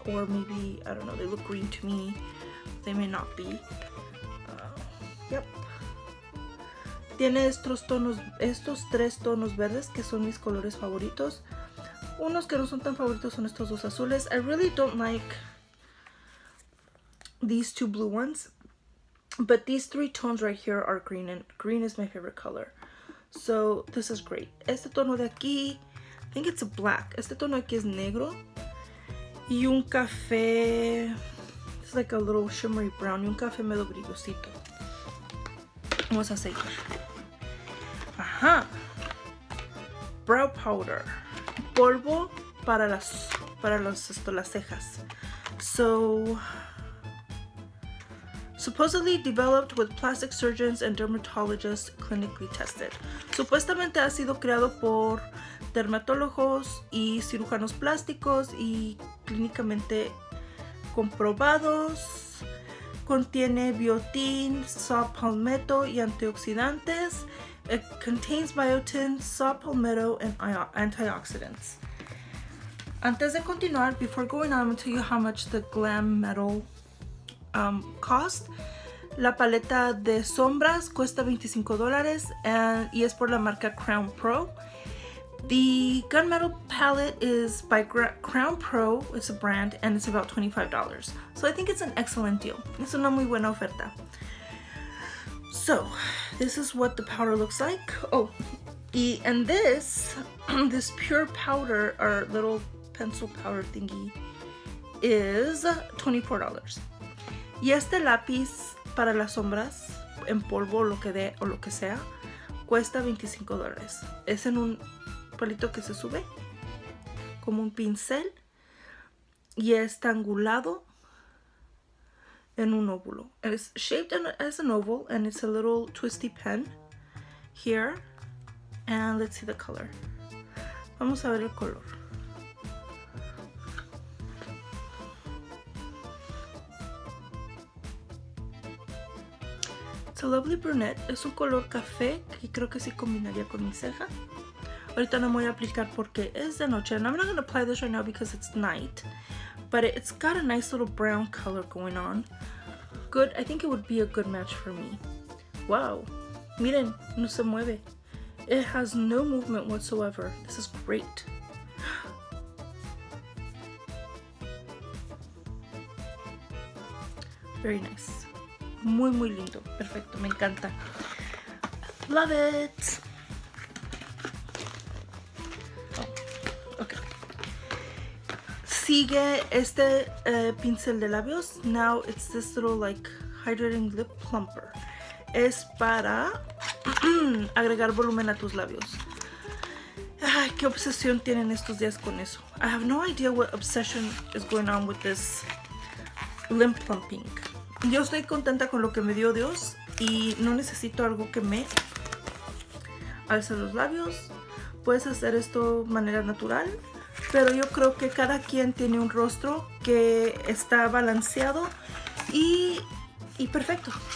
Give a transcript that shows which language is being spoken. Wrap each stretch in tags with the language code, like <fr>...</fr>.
<en>Or maybe, I don't know, they look green to me. They may not be. Yep.</en> <es>Tiene estos tres tonos verdes que son mis colores favoritos. Unos que no son tan favoritos son estos dos azules.</es> <en>I really don't like these two blue ones. But these three tones right here are green, and green is my favorite color. So this is great.</en> <es>Este tono de aquí,</es> <en>I think it's a black.</en> <es>Este tono aquí es negro. Y un café,</es> <en>it's like a little shimmery brown.</en> <es>Y un café medio brillosito. Vamos a seguir. Ajá.</es> <en>Brow powder.</en> <es>Polvo para las cejas.</es> <en>So, supposedly developed with plastic surgeons and dermatologists clinically tested.</en> <es>Supuestamente ha sido creado por dermatólogos y cirujanos plásticos y clínicamente comprobados. Contiene biotin, saw palmetto y antioxidantes.</es> <en>It contains biotin, saw palmetto, and antioxidants.</en> <es>Antes de continuar,</es> <en>before going on, I'm going to tell you how much the Glam Metal cost.</en> <es>La paleta de sombras cuesta $25 y es por la marca Crown Pro.</es> <en>The Gunmetal palette is by Crown Pro, it's a brand, and it's about $25. So I think it's an excellent deal.</en> <es>Es una muy buena oferta.</es> <en>So, this is what the powder looks like. Oh, and this pure powder, or little pencil powder thingy, is $24.</en> <es>Y este lápiz para las sombras, en polvo lo que dé o lo que sea, cuesta $25. Es en un palito que se sube, como un pincel, y está angulado en un óvulo.</es> <en>And it's shaped as an oval, and it's a little twisty pen here. And let's see the color.</en> <es>Vamos a ver el color.</es> <en>It's a lovely brunette.</en> <es>Es un color café que creo que sí combinaría con mi ceja. Ahorita no voy a aplicar porque es de noche.</es> <en>And I'm not going to apply this right now because it's night. But it's got a nice little brown color going on. Good. I think it would be a good match for me. Wow.</en> <es>Miren, no se mueve.</es> <en>It has no movement whatsoever. This is great. Very nice.</en> <es>Muy, muy lindo. Perfecto. Me encanta.</es> <en>Love it.</en> <es>Sigue este pincel de labios.</es> <en>Now it's this little like hydrating lip plumper.</en> <es>Es para agregar volumen a tus labios. Ay, qué obsesión tienen estos días con eso.</es> <en>I have no idea what obsession is going on with this lip plumping.</en> <es>Yo estoy contenta con lo que me dio Dios y no necesito algo que me alce los labios. Puedes hacer esto de manera natural. Pero yo creo que cada quien tiene un rostro que está balanceado y perfecto.</es>